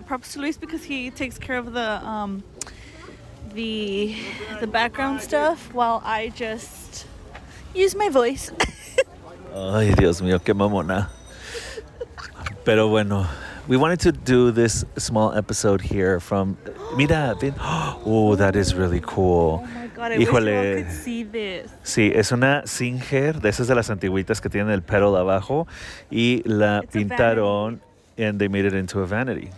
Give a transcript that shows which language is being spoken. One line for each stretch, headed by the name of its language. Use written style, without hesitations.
English: Props to Luis because he takes care of the background stuff while I just use my voice.
Spanish: Ay, Dios mío, qué mamona. Pero bueno,
English: we wanted to do this small episode here from...
Spanish: Mira, ven.
English: Oh, that is really cool. Oh, my God, I wish you all could see this.
Spanish: Sí, es una Singer, de esas de las antiguitas que tienen el pedal abajo. Y la
English: it's
Spanish: pintaron
English: and they made it into a vanity.